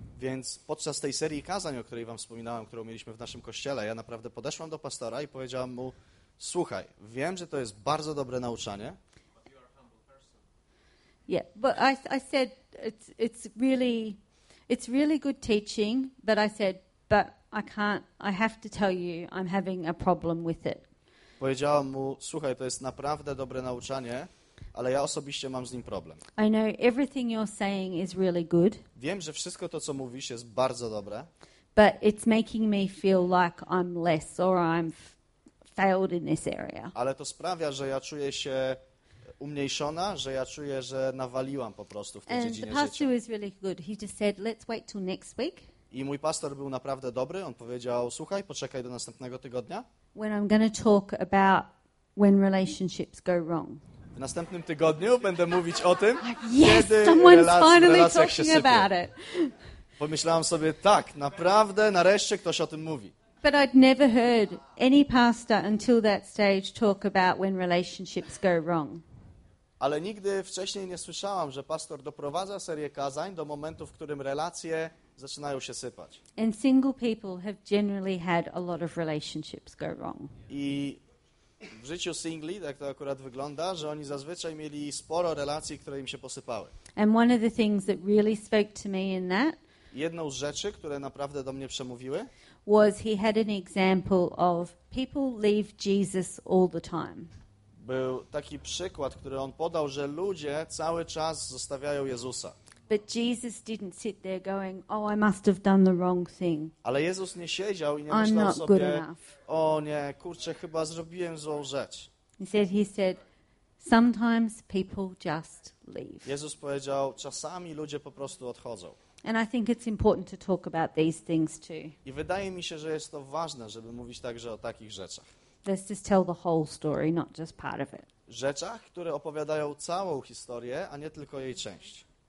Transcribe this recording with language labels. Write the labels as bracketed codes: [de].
[pl] Więc podczas tej serii kazań, o której wam wspominałem, którą mieliśmy w naszym kościele, ja naprawdę podeszłam do pastora i powiedziałam mu, słuchaj, wiem, że to jest bardzo dobre nauczanie. [en] Yeah, but I said it's really good teaching, but I said, but I have to tell you, I'm having a problem with it. [pl] Powiedziałam mu, słuchaj, to jest naprawdę dobre nauczanie, ale ja osobiście mam z nim problem. [en] I know everything you're saying is really good. [pl] Wiem, że wszystko to, co mówisz, jest bardzo dobre. [en] But it's making me feel like I'm less or I'm failed in this area. [pl] Ale to sprawia, że ja czuję się umniejszona, że ja czuję, że nawaliłam po prostu w tej [en] and [pl] dziedzinie [en] the pastor [pl] życia. [en] Was really good. He just said, let's wait till next week. [pl] I mój pastor był naprawdę dobry. On powiedział, słuchaj, poczekaj do następnego tygodnia. [en] When I'm going to talk about when relationships go wrong. [pl] W następnym tygodniu będę mówić o tym, [en] yes, [pl] kiedy relacja się sypie. [en] About it. [pl] Pomyślałam sobie, tak, naprawdę, nareszcie ktoś o tym mówi. [en] But I'd never heard any pastor until that stage talk about when relationships go wrong. [pl] Ale nigdy wcześniej nie słyszałam, że pastor doprowadza serię kazań do momentu, w którym relacje zaczynają się sypać. [en] And single people have generally had a lot of relationships go wrong. [pl] I w życiu singli tak to akurat wygląda, że oni zazwyczaj mieli sporo relacji, które im się posypały. [en] And one of the things that really spoke to me in that. [pl] Jedną z rzeczy, które naprawdę do mnie przemówiły. [en] Was he had an example of people leave Jesus all the time. [pl] Był taki przykład, który on podał, że ludzie cały czas zostawiają Jezusa. [en] But Jesus didn't sit there going, oh, I must have done the wrong thing. [pl] Ale Jezus nie siedział i nie myślał sobie, o nie, kurczę, chyba zrobiłem złą rzecz. [en] He said, sometimes people just leave. [pl] Jezus powiedział, czasami ludzie po prostu odchodzą. [en] And I think it's important to talk about these things too. [pl] I wydaje mi się, że jest to ważne, żeby mówić także o takich rzeczach. [en] Let's just tell the whole story, not just part of it. [pl] Rzeczach, które opowiadają całą historię, a nie tylko jej część.